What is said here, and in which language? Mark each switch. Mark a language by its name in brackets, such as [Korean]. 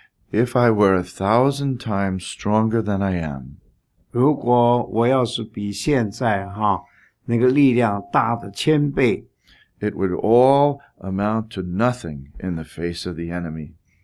[English] if I were 1,000 times stronger than I am, [Chinese] 如果我要是比现在, 那个力量大的千倍, [English] it would all amount to nothing in the face of the enemy.